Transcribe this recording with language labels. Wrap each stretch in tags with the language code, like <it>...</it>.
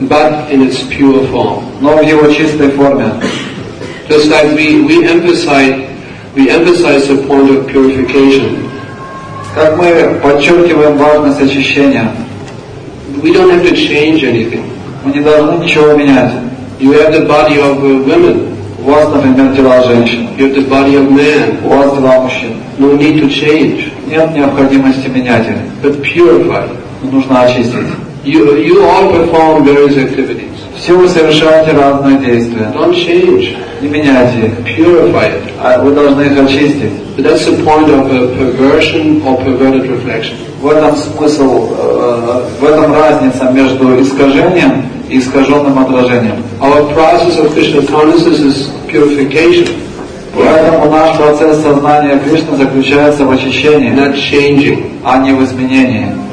<en>but in its pure form.</en> <ru>Но в его чистой форме.</ru> <en>Just like we emphasize the point of purification.</en> <ru>Как мы подчеркиваем важность очищения.</ru> <en>We don't have to change anything.</en> <ru>Мы не должны ничего менять.</ru> <en>You have the body of a woman.</en> <ru>У вас, например, тела женщин.</ru> <en>You have the body of man.</en> <ru>У вас тела мужчин.</ru> <en>No need to change.</en> <ru>Нет необходимости менять их.</ru> <en>But purify.</en> <ru>Но нужно очистить.</ru> <en>You all perform various activities.</en> <ru>Все вы совершаете разные действия.</ru> <en>Don't change.</en> <ru>Не меняйте их.</ru> <en>Purify it.</en> <ru>А вы должны их очистить.</ru> <en>But that's the point of a perversion or perverted reflection.</en> <ru>В этом смысл, в этом разница между искажением и искаженным отражением.</ru> <en>Our process of Krishna consciousness is purification.</en> <ru>Поэтому наш процесс сознания Кришны заключается в очищении,</ru> <en>not changing,</en> <ru>а не в изменении.</ru>